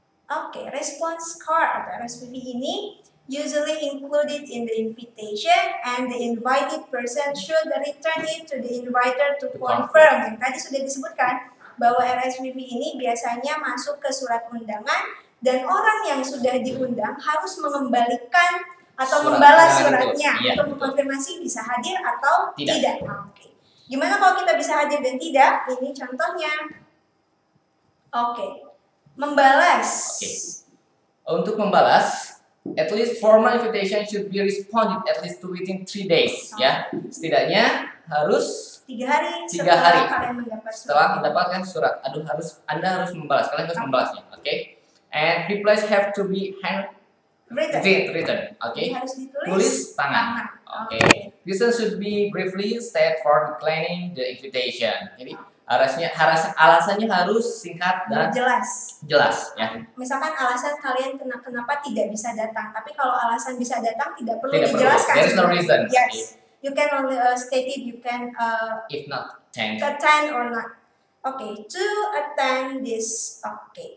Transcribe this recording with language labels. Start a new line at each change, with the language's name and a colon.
English: Okay, response card atau RSVP ini usually included in the invitation, and the invited person should return it to the inviter to confirm.
Indonesian: Yang tadi sudah disebutkan bahwa RSVP ini biasanya masuk ke surat undangan, dan orang yang sudah diundang harus mengembalikan atau membalas suratnya untuk mengkonfirmasi bisa hadir atau tidak.
English: Okay.
Indonesian: Gimana kalau kita bisa hadir dan tidak? Ini contohnya. Okay. Membalas.
English: Okay.
Indonesian: Untuk membalas,
English: at least formal invitation should be responded at least to within 3 days, ya.
Indonesian: Setidaknya harus 3 hari. 3 hari kalian mendapat surat. Setelah mendapatkan surat, Anda harus membalas. Kalian harus membalasnya, oke?
English: Okay? And replies have to be written. Okay?
Indonesian: Harus ditulis. Tulis tangan. Oke.
English: Reason should be briefly stated for declining the invitation. Jadi
Indonesian: Alasannya harus singkat dan jelas ya. Misalkan alasan kalian kenapa tidak bisa datang, tapi kalau alasan bisa datang tidak perlu dijelaskan.
English: There is no reason. Yes. You can only state it, you can if not attend. Attend or not. Okay, to attend this. Okay.